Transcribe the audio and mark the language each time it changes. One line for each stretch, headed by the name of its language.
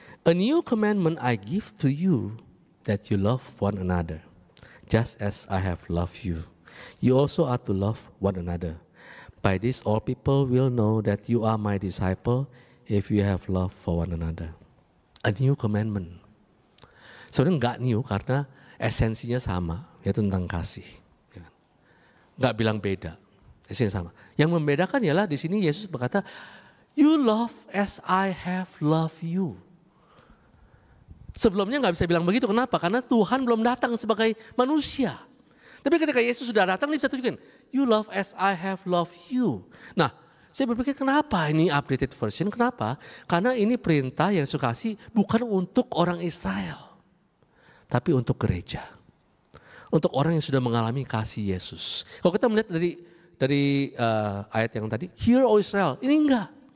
English: A new commandment I give to you, that you love one another, just as I have loved you. You also are to love one another. By this all people will know that you are my disciple if you have love for one another. A new commandment.
Indonesian: Sebenarnya gak new karena esensinya sama, yaitu tentang kasih. Gak bilang beda, esensinya sama. Yang membedakan ialah di sini Yesus berkata,
English: you love as I have loved you.
Indonesian: Sebelumnya gak bisa bilang begitu, kenapa? Karena Tuhan belum datang sebagai manusia. Tapi ketika Yesus sudah datang, dia bisa tunjukin,
English: you love as I have loved you.
Indonesian: Nah, saya berpikir kenapa ini updated version, kenapa? Karena ini perintah yang Yesus kasih bukan untuk orang Israel, tapi untuk gereja. Untuk orang yang sudah mengalami kasih Yesus. Kalau kita melihat dari ayat yang tadi,
English: hear O Israel,
Indonesian: ini enggak.